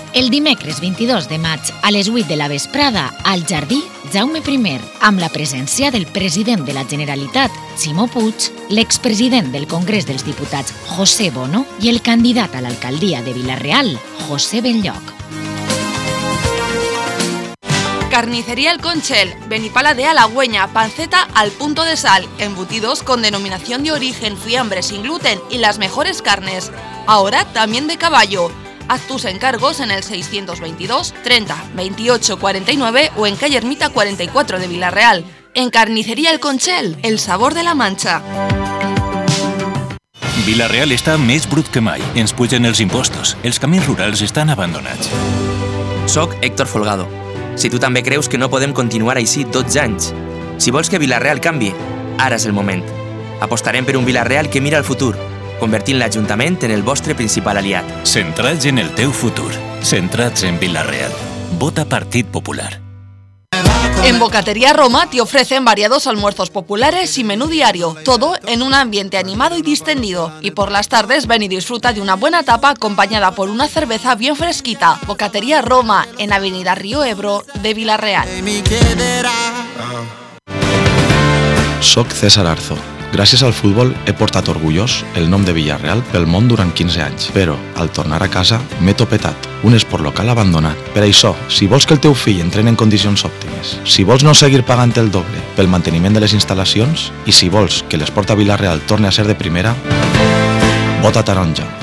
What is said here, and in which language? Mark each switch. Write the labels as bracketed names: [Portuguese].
[Catalan] El dimecres 22 de maig a les 8 de la vesprada al Jardí Jaume I amb la presència del president de la Generalitat, Ximo Puig, l'expresident del Congrés dels Diputats, José Bono, i el candidat a l'alcaldia de Villarreal, José Benlloc. [Spanish] Carnicería El Conchel, Benipala de Alagüeña, panceta al punto de sal, embutidos con denominación de origen, fiambre sin gluten y las mejores carnes. Ahora también de caballo. Haz tus encargos en el 622 30 28 49 o en calle Ermita 44 de Villarreal. En Carnicería El Conchel, el sabor de la Mancha. [Catalan] Villarreal está más brut que mai. Ens pugen els impostos. Els camins rurals estan abandonats. Soc Héctor Folgado. Si tu també creus que no podem continuar així 12 anys, si vols que Villarreal canvi, ara és el moment. Apostarem per un Villarreal que mira al futur, convertint l'Ajuntament en el vostre principal aliat. Centrats en el teu futur. Centrats en Villarreal. Vota Partit Popular. [Spanish] En Bocatería Roma te ofrecen variados almuerzos populares y menú diario, todo en un ambiente animado y distendido. Y por las tardes ven y disfruta de una buena tapa acompañada por una cerveza bien fresquita. Bocatería Roma, en Avenida Río Ebro de Villarreal. [Catalan] Soc César Arzo. Gràcies al futbol he portat orgullós el nom de Villarreal pel món durant 15 anys. Però, al tornar a casa, m'he topetat. Un esport local abandonat. Per això, si vols que el teu fill entreni en condicions òptimes, si vols no seguir pagant el doble pel manteniment de les instal·lacions i si vols que l'esport a Villarreal torni a ser de primera, vota Taronja.